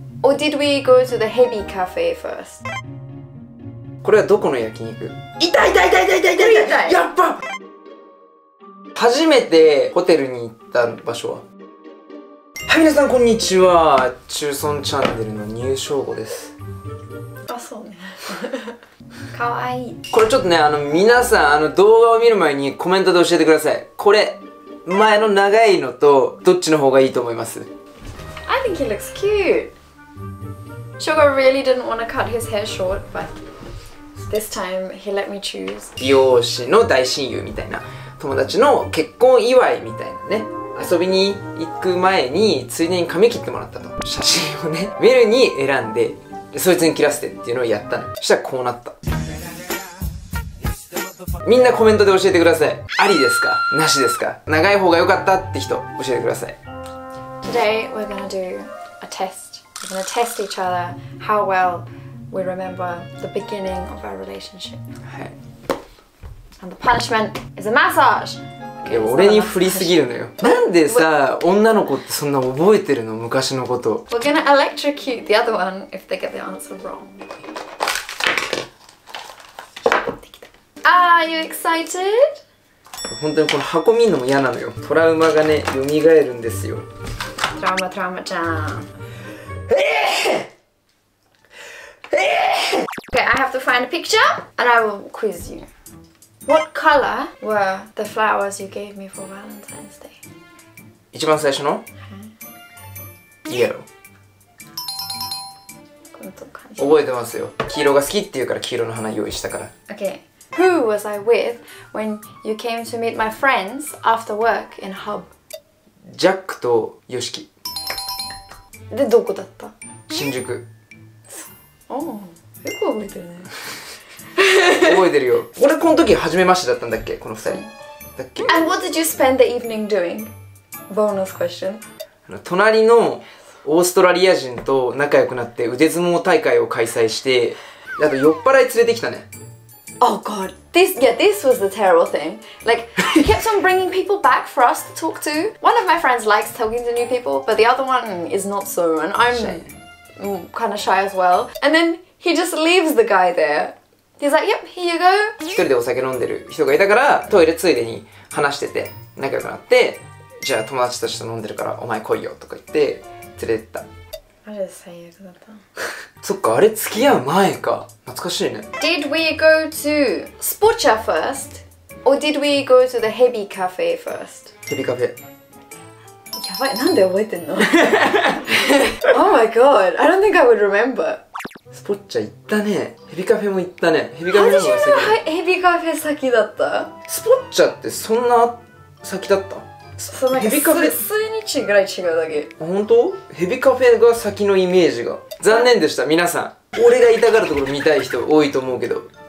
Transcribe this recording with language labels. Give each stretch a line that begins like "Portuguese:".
English: Or did we go to the heavy cafe first?
Japanese: これはどこの焼肉？痛い痛い痛い痛い痛い痛い痛い痛い、やっぱ初めてホテルに行った場所は？はい、みなさんこんにちは、中村チャンネルの入賞後です。あ、そうね。かわいい。これちょっとね、皆さん動画を見る前にコメントで教えてください。これ前の長いのとどっちの方がいいと思います？
English: I think he looks cute. Shogo really didn't want to cut his hair short, but this time he let me choose.
Japanese: 美容師の大親友みたいな、友達の結婚祝いみたいなね、遊びに行く前についでに髪切ってもらったと。写真をね、メルに選んで、そいつに切らせてっていうのをやったの。そしたらこうなった。みんなコメントで教えてください。ありですか？なしですか？長い方が良かったって人、教えてください。
English: Today we're gonna do a test. We're gonna test each other how well we remember the beginning of our relationship.
Japanese: はい。
English: And the punishment is a massage!
Japanese: いや、俺に振りすぎるのよ。なんでさ、女の子ってそんな覚えてるの、昔のこと。
English: We're gonna electrocute the other one if they get the answer wrong. Are you excited?
Japanese: 本当にこの箱見るのも嫌なのよ。トラウマがね、蘇るんですよ。トラウマ、トラウマちゃん。
English: Okay, I have to find a picture and I will quiz you. What color were the flowers you gave me for Valentine's Day?
Japanese: 一番最初の、うん、
English: イエロー。
Japanese: この感じ覚えてますよ。黄色が好きって言うから黄色の花用意したから。
English: Okay. Who was I with when you came to meet my friends after work in hub?
Japanese: ジャックとヨシキ。で、どこだった？新宿。おお、よく覚えてるね。覚えてるよ。俺この時初めましてだったんだっけ、この二人だっけ。
English: And what did you spend the evening doing? Bonus question.
Japanese: 隣のオーストラリア人と仲良くなって腕相撲大会を開催して、あと酔っ払い連れてきたね。
English: Oh god. This, yeah, this was the terrible thing. Like, he kept on bringing people back for us to talk to. One of my friends likes talking to new people, but the other one is not so, and I'm kind of shy as well. And then he just leaves the guy there. He's like, yep, here you go.
Japanese: 一人でお酒飲んでる人がいたから、トイレついでに話してて仲良くなって、じゃあ友達たちと飲んでるからお前来いよとか言って連れてった。あれ最悪だった。そっか、あれ付き合う前か。懐かしいね。
English: Did we go to Spocha first? Or did we go to the heavy cafe first? Heavy cafe。
Japanese: やばい、なんで覚えてんの。
English: Oh my god, I don't think I would remember.
Japanese: スポッチャ行ったね。ヘビカフェも行ったね。ヘビカフェの方が先。ヘビカフェ先だった。スポッチャってそんな先だった？そのヘビカフェ数日ぐらい違うだけ。本当？ヘビカフェが先のイメージが。残念でした、皆さん。俺が痛がるところ見たい人多いと思うけど。